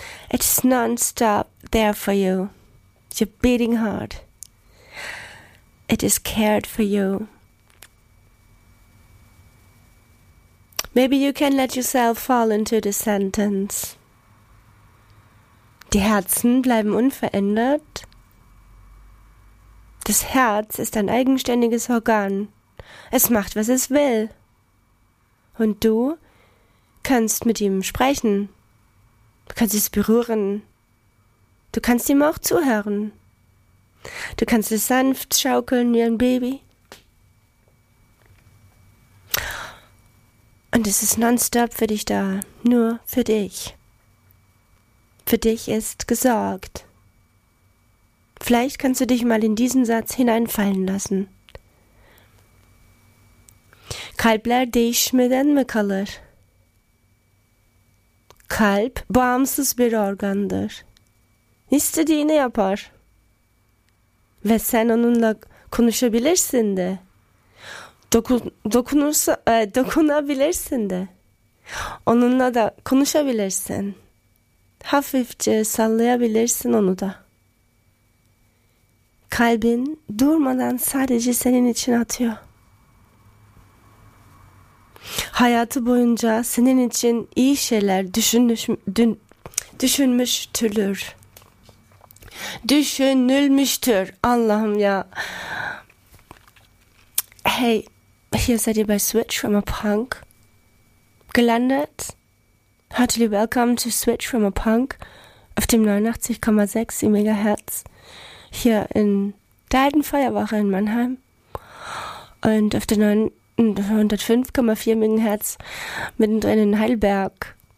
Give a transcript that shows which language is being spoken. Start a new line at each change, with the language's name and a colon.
English: It's non-stop there for you, your beating heart. It is cared for you. Maybe you can let yourself fall into the sentence.
German: Die Herzen bleiben unverändert. Das Herz ist ein eigenständiges Organ. Es macht, was es will. Und du kannst mit ihm sprechen. Du kannst es berühren. Du kannst ihm auch zuhören. Du kannst es sanft schaukeln wie ein Baby. Und es ist nonstop für dich da, nur für dich. Für dich ist gesorgt. Vielleicht kannst du dich mal in diesen Satz hineinfallen lassen. Kalbler dich mit einem Kalor.
Turkish: Kalb bağımsız bir organdır. İstediğini yapar. Ve sen onunla konuşabilirsin de. Dokunabilirsin de. Onunla da konuşabilirsin. Hafifçe sallayabilirsin onu da. Kalbin durmadan sadece senin için atıyor. Hayatı boyunca senin için iyi şeyler düşünülmüştür. Allah'ım ya. Hey.
German: Hier seid ihr bei Switch from a Punk gelandet.
English: Heartily welcome to
German: Switch from a Punk auf dem 89,6 MHz hier in Daldenfeuerwache in Mannheim und auf der 105,4 MHz mittendrin in Heidelberg.